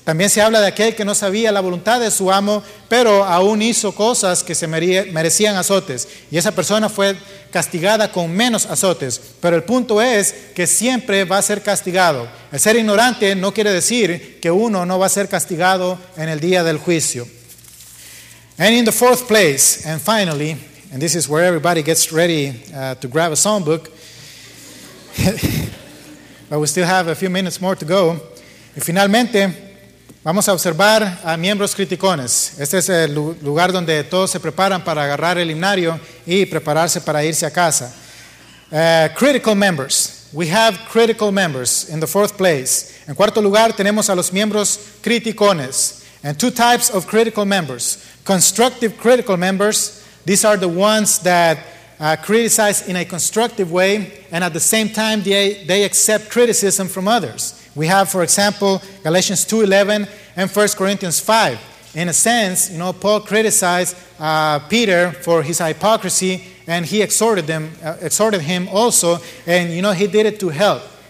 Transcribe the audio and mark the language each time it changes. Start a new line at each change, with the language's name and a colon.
Spanish: También se habla de aquel que no sabía la voluntad de su amo, pero aún hizo cosas que se merecían azotes. Y esa persona fue castigada con menos azotes. Pero el punto es que siempre va a ser castigado. El ser ignorante no quiere decir que uno no va a ser castigado en el día del juicio.
English: And in the fourth place, and finally, and this is where everybody gets ready to grab a songbook, but we still have a few minutes more to go.
Spanish: Y finalmente, vamos a observar a miembros criticones. Este es el lugar donde todos se preparan para agarrar el himnario y prepararse para irse a casa.
English: Critical members. We have critical members in the fourth place.
Spanish: En cuarto lugar, tenemos a los miembros criticones.
English: And two types of critical members. Constructive critical members. These are the ones that criticize in a constructive way, and at the same time, they accept criticism from others. We have, for example, Galatians 2:11 and 1 Corinthians 5. In a sense, you know, Paul criticized Peter for his hypocrisy, and he exhorted him also, and you know, he did it to help.